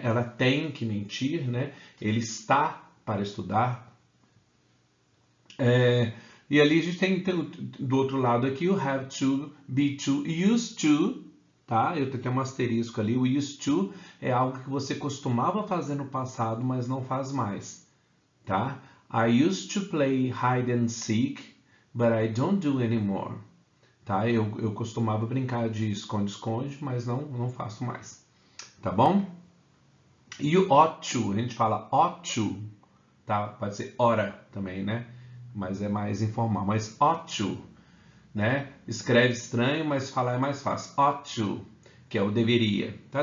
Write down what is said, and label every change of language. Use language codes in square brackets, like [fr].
[pt] Ela tem que mentir, né? Ele está para estudar. E ali a gente tem do outro lado aqui o have to, be to, use to. Tá? Eu tenho até um asterisco ali. O used to é algo que você costumava fazer no passado, mas não faz mais. Tá? [en] I used to play hide and seek, but I don't do anymore. [pt] Tá? Eu costumava brincar de esconde-esconde, mas não faço mais. Tá bom? E o ought to, a gente fala ought to, tá? Pode ser ora também, né? Mas é mais informal. Mas ought to, né? Escreve estranho, mas falar é mais fácil. Ought to. Que é o deveria. Tá?